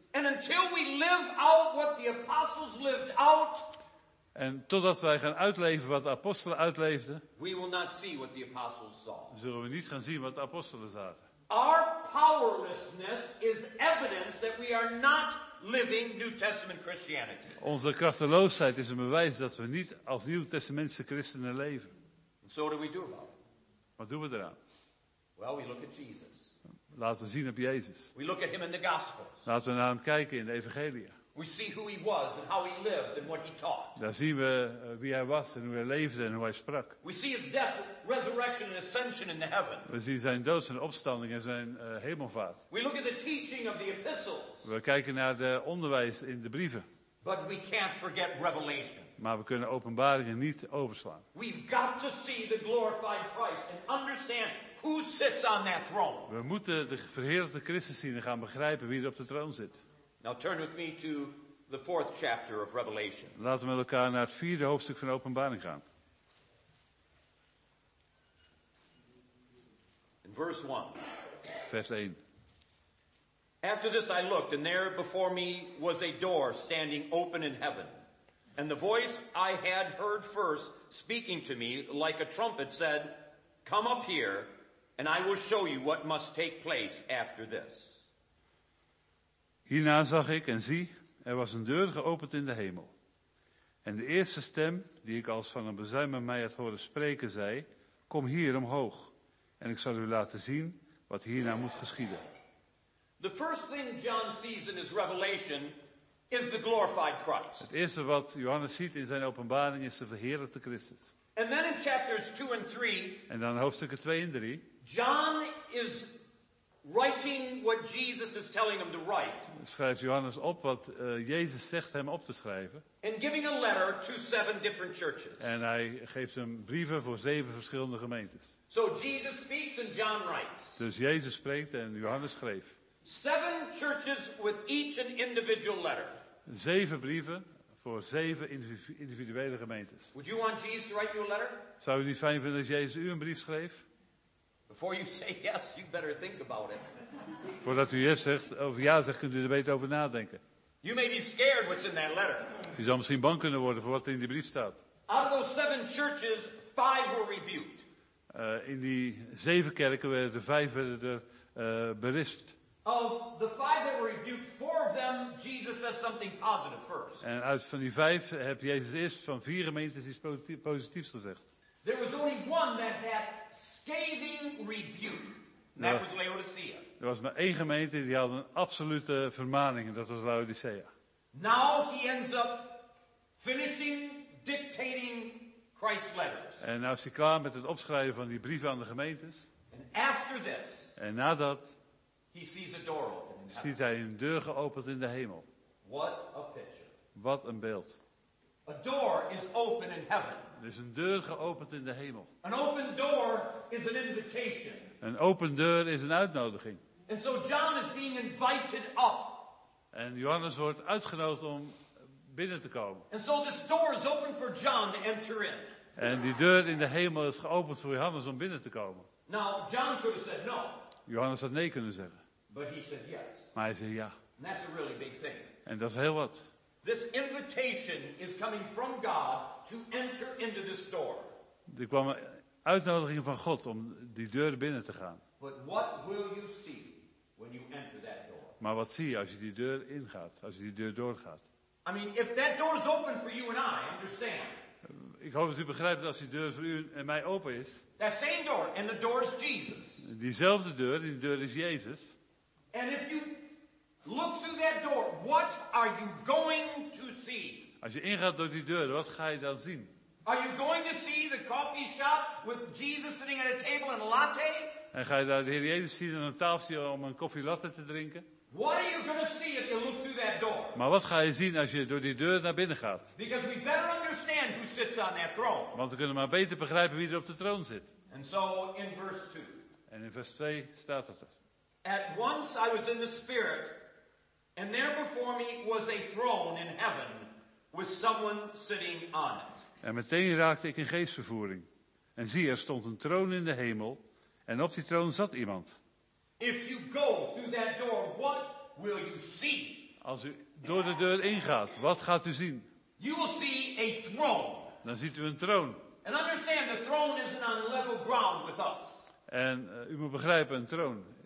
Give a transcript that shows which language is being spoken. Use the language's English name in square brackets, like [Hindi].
[English] And until we live out what the apostles lived out, [Dutch] en totdat wij gaan uitleven wat de apostelen uitleefden, [English] we will not see what the apostles saw. [Dutch] Zullen we niet gaan zien wat de apostelen zagen. [English] Our powerlessness is evidence that we are not living New Testament Christianity. [Dutch] Onze krachteloosheid is een bewijs dat we niet als Nieuw Testamentse christenen leven. [English] And so what do we do about it? [Dutch] Wat doen we eraan? [English] Well, we look at Jesus. [Dutch] Laten we zien op Jezus. [English] We look at him in the Gospels. [Dutch] Laten we naar hem kijken in de Evangelie. [English] We see who he was and how he lived and what he taught. [Dutch] Daar zien we wie hij was en hoe hij leefde en hoe hij sprak. [English] We see his death, resurrection and ascension in the heaven. [Dutch] We zien zijn dood en opstanding en zijn hemelvaart. [English] We look at the teaching of the epistles. [Dutch] We kijken naar de onderwijs in de brieven. [English] But we can't forget revelation. [Dutch] Maar we kunnen openbaringen niet overslaan. [English] We've got to see the glorified Christ and understand who sits on that throne. [Dutch] We moeten de verheerlijkte Christus zien en gaan begrijpen wie er op de troon zit. [English] Now turn with me to the fourth chapter of Revelation. [Dutch] Laten we met elkaar naar het vierde hoofdstuk van de Openbaring gaan. In vers 1. [English] After this I looked, and there before me was a door standing open in heaven. And the voice I had heard first speaking to me like a trumpet said, come up here, and I will show you what must take place after this. [Dutch] Hierna zag ik, en zie, Er was een deur geopend in de hemel. En de eerste stem, die ik als van een bezuin mij had horen spreken, zei, kom hier omhoog, en ik zal u laten zien wat hierna moet geschieden. [English] The first thing John sees in his revelation is the glorified Christ. [Dutch] Het eerste wat Johannes ziet in zijn openbaring is de verheerlijkte Christus. [English] And then in chapters 2 and 3, [Dutch] en dan hoofdstukken 2 en 3, [English] John is writing what Jesus is telling him to write. [Dutch] Schrijft Johannes op wat Jezus zegt hem op te schrijven. [English] And giving a letter to 7 different churches. [Dutch] En hij geeft hem brieven voor 7 verschillende gemeentes. [English] So Jesus speaks and John writes. [Dutch] Dus Jezus spreekt en Johannes schreef. [English] 7 churches with each an individual letter. [Dutch] 7 brieven voor 7 individuele gemeentes. [English] Would you want Jesus to write you a letter? [Dutch] Zou u niet fijn vinden als Jezus u een brief schreef? [English] Before you say yes, you better think about it. [Dutch] Voordat u yes zegt, of ja zegt, kunt u er beter over nadenken. [English] You may be scared what's in that letter. [Dutch] U zou misschien bang kunnen worden voor wat er in die brief staat. [English] Out of those 7 churches, 5 were rebuked. [Dutch] In die 7 kerken werden de 5 berispt. [English] Of the 5 that were rebuked, 4 of them, Jesus says something positive first. [Dutch] En uit van die 5 heb Jezus eerst van 4 gemeentes iets positiefs gezegd. [English] There was only one that had scathing rebuke. That was Laodicea. [Dutch] Er was maar 1 gemeente die had een absolute vermaning, en dat was Laodicea. [English] Now he ends up finishing dictating Christ's letters. [Dutch] En nou is hij klaar met het opschrijven van die brieven aan de gemeentes. [English] And after this, [Dutch] en nadat, [English] he sees a door open. [Dutch] Ziet hij een deur geopend in de hemel. [English] What a picture. [Dutch] Wat een beeld. [English] A door is open in heaven. [Dutch] Er is een deur geopend in de hemel. [English] An open door is an invitation. [Dutch] Een open deur is een uitnodiging. [English] And so John is being invited up. [Dutch] En Johannes wordt uitgenodigd om binnen te komen. [English] And so this door is open for John to enter in. [Dutch] En die deur in de hemel is geopend voor Johannes om binnen te komen. [English] Now John could have said no. [Dutch] Johannes had nee kunnen zeggen. [English] But he said yes. [Dutch] Maar hij zei ja. [English] And that's a really big thing. [Dutch] En dat is heel wat. [English] This invitation is coming from God to enter into this door. [Dutch] Er kwam een uitnodiging van God om die deur binnen te gaan. [English] But what will you see when you enter that door? [Dutch] Maar wat zie je als je die deur ingaat, als je die deur doorgaat? [English] I mean, if that door is open for you and I, understand? [Dutch] Ik hoop dat u begrijpt dat als die deur voor u en mij open is. [English] That same door, and the door is Jesus. [Dutch] Diezelfde deur, die deur is Jezus. [English] And if you look through that door. What are you going to see? [Dutch] Als je ingaat door die deur, wat ga je dan zien? [English] Are you going to see the coffee shop with Jesus sitting at a table and a latte? [Dutch] En ga je daar de Heer Jezus zien aan een tafeltje om een koffie latte te drinken? [English] What are you going to see if you look through that door? [Dutch] Maar wat ga je zien als je door die deur naar binnen gaat? [English] Because we better understand who sits on that throne. [Dutch] Want we kunnen maar beter begrijpen wie er op de troon zit. [English] And so in verse 2. [Dutch] En in vers 2 staat dat er. [English] At once I was in the spirit. And there before me was a throne in heaven with someone sitting on it. [Dutch] En meteen raakte ik in geestvervoering. En zie, er stond een troon in de hemel en op die troon zat iemand. [English] If you go through that door, what will you see? [Dutch] Als u door de deur ingaat, wat gaat u zien? [English] You will see a throne. [Dutch] Dan ziet u een troon. [English] And understand, the throne isn't on level ground with us. [Dutch] En u moet begrijpen, een troon.